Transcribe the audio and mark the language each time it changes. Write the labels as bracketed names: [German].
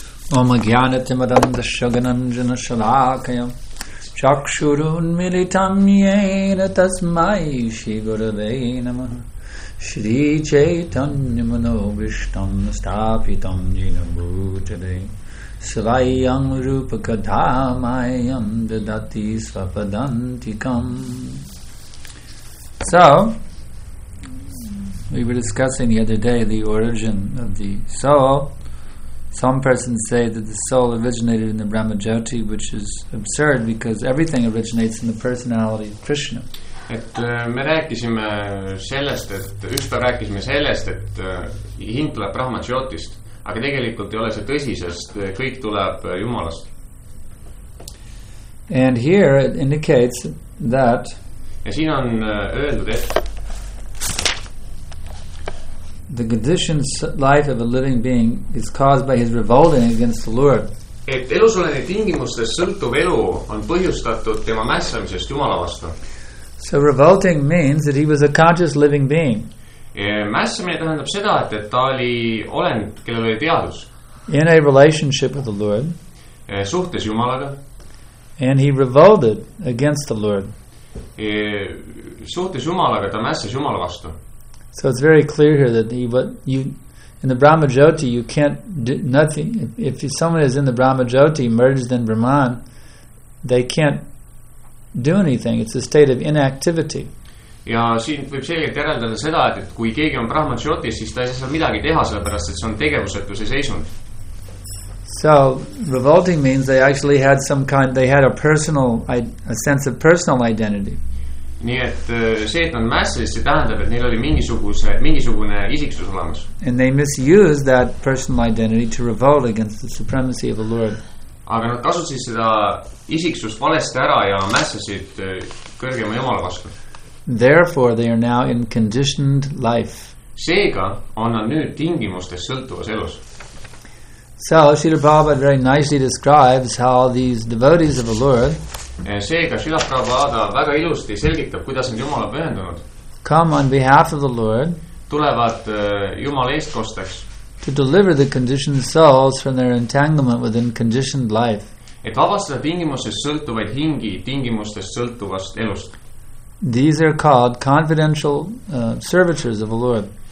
[Sanskrit] Om Jnanatimadam Dashaganandjana Shalakayam Chakshurun Militam Yena Tasmai Shri Gurave Namah Shri Chaitanya Manobishtam Stapitam Jina Bhutale Svayam Rupa Kadhamayam Dadati Svapadantikam. [English] So, we were discussing the other day the origin of the soul. Some persons say that the soul originated in the Brahmajyoti, which is absurd because everything originates in the personality of Krishna. [Estonian] Et me rääkisime sellest, et ükspäev rääkisime sellest, et hind tuleb Brahmajyotist, aga tegelikult ei ole see tõsi, sest kõik tuleb Jumalast. [English] And here it indicates that [Estonian] ja siin on öeldud, et [English] the conditioned life of a living being is caused by his revolting against the Lord. [Estonian] Et elusolene tingimustes sõltuv elu on põhjustatud tema mässamisest Jumala vastu. [English] So revolting means that he was a conscious living being. [Estonian] Mässamine tähendab seda, et ta oli olend, kellel oli teadus. [English] In a relationship with the Lord. [Estonian] Suhtes Jumalaga. [English] And he revolted against the Lord. [Estonian] Suhtes Jumalaga, ta mässas Jumala vastu. [English] So it's very clear here that in the Brahmajyoti you can't do nothing. If someone is in the Brahmajyoti merged in Brahman, they can't do anything. It's a state of inactivity. [Estonian] Ja siin võib selgelt järeldada seda, et kui keegi on Brahmajyoti, siis ta ei saa midagi teha, sellepärast et see on tegevusetuse seisund. [English] So revolting means they actually had some kind, they had a sense of personal identity. [Estonian] Nii et see, et on mässis, see tähendab, et neil oli mingisugune isiksus olemas. [English] And they misused that personal identity to revolt against the supremacy of the Lord. [Estonian] aga nad kasutasid seda isiksust valesti ära ja mässasid kõrgema jumala vastu. [English] Therefore they are now in conditioned life. [Estonian] Seega on nad nüüd tingimustes sõltuvas elus. [English] So Srila Prabhupada very nicely describes how these devotees of the Lord [Estonian] Seega Srila Prabhupada väga ilusti selgitab, kuidas nad jumala pühendunud. [English] Come on behalf of the Lord [Estonian] tulevad jumala eestkosteks [English] to deliver the conditioned souls from their entanglement within conditioned life. [Estonian] Et vabastada tingimustest sõltuvaid hingi tingimustest sõltuvast elust. [English] These are called confidential servitors of the Lord.